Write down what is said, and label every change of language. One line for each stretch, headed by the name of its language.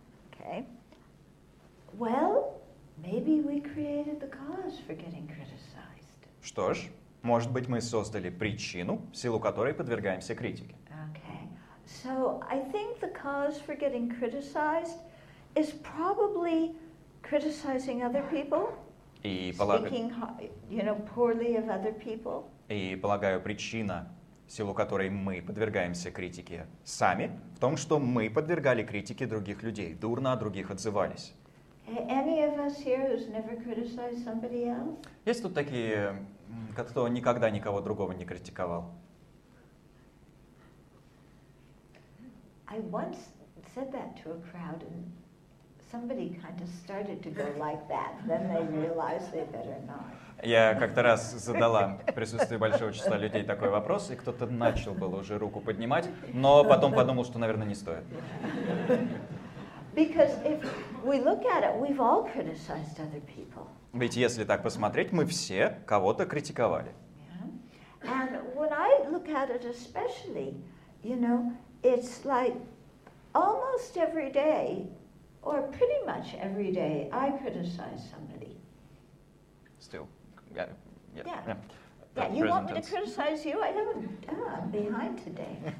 English: Okay. Well, maybe we created the cause for getting criticized.
Russian: Что ж, может быть, мы создали причину, в силу которой подвергаемся критике.
English: Okay. So I think the cause for getting criticized is probably criticizing other people. Speaking, you know, poorly of other people.
Russian: И полагаю, причина, в силу которой мы подвергаемся критике сами, в том, что мы подвергали критике других людей, дурно о других отзывались.
English: Any of us here who's never criticized somebody else?
Russian: Есть тут такие кто никогда никого другого не критиковал.
English: I once said that to a crowd and somebody kind of started to go like that. Then they realized they better not.
Russian: Я как-то раз задала в присутствии большого числа людей такой вопрос, и кто-то начал было уже руку поднимать, но потом подумал, что, наверное, не стоит.
English: Because if we look at it, we've all criticized other people.
Russian: Ведь если так посмотреть, мы все кого-то критиковали.
English: Yeah. And when I look at it especially, you know, it's like almost every day, or pretty much every day, I criticize somebody. Still. Yeah. You want me to criticize you? I haven't. I'm behind today.